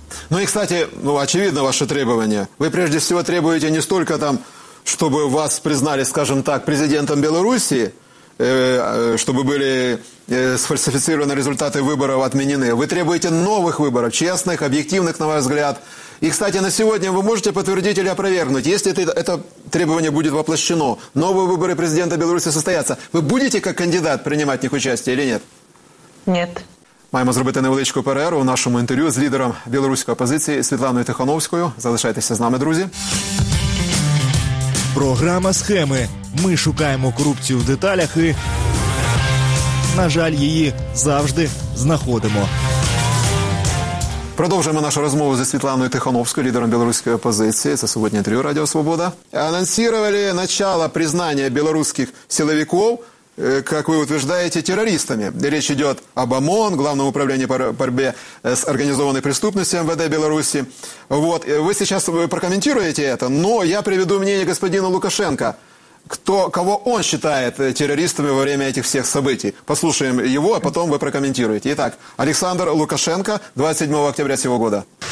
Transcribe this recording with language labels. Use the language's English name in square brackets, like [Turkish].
[Russian] Ну и, кстати, ну, очевидно, ваши требования. Вы прежде всего требуете не столько там, чтобы вас признали, скажем так, президентом Белоруссии, чтобы были сфальсифицированы результаты выборов, отменены. Вы требуете новых выборов, честных, объективных, на ваш взгляд. И, кстати, на сегодня вы можете подтвердить или опровергнуть, если это требование будет воплощено, новые выборы президента Беларуси состоятся, вы будете как кандидат принимать в них участие или нет? Нет. [Ukrainian] Маємо зробити невеличку перерву у нашому інтерв'ю з лідером білоруської опозиції Світланою Тихановською. Залишайтеся з нами, друзі. Програма «Схеми». Ми шукаємо корупцію в деталях і, на жаль, її завжди знаходимо. Продовжуємо нашу розмову зі Світланою Тихановською, лідером білоруської опозиції. Це сьогодні інтерв'ю «Радіо Свобода». Анонсували начало признання білоруських силовиків, [Russian] как вы утверждаете, [Ukrainian] террористами. [Russian] Речь идет об ОМОН, Главном управлении по борьбе с организованной преступностью МВД Беларуси. Вот. Вы сейчас прокомментируете это, но я приведу мнение господина Лукашенко, кого он считает террористами во время этих всех событий. Послушаем его, а потом вы прокомментируете. Итак, Александр Лукашенко, 27 октября сего года.